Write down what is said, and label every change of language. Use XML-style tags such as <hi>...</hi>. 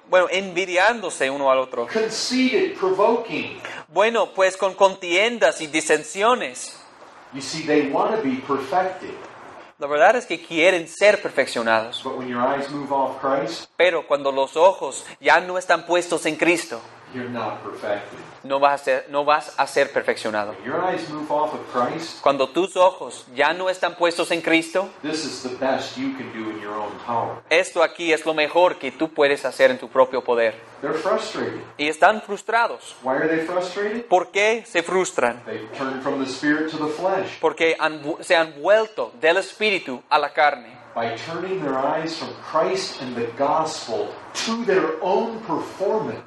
<es>Envidiándose uno al otro.</es> <en>Conceited, provoking.</en> <es>Bueno, pues con contiendas y disensiones.</es> <en>You see, they want to be perfected.</en> <es>La verdad es que quieren ser perfeccionados.</es> <en>But when your eyes move off Christ,</en> <es>pero cuando los ojos ya no están puestos en Cristo,</es> <en>you're not perfected.</en> <es>No vas a ser perfeccionado.</es> <en>When your eyes move off of Christ,</en> <es>cuando tus ojos ya no están puestos en Cristo,</es> <en>this is the best you can do in your own power.</en> <es>Esto aquí es lo mejor que tú puedes hacer en tu propio poder.</es> <en>They're frustrated.</en> <es>Y están frustrados.</es> <en>Why are they frustrated?</en> <es>¿Por qué se frustran?</es> <en>They've turned from the spirit to the flesh.</en> <es>Porque se han vuelto del espíritu a la carne.</es> <en>By turning their eyes from Christ and the gospel to their own performance.</en>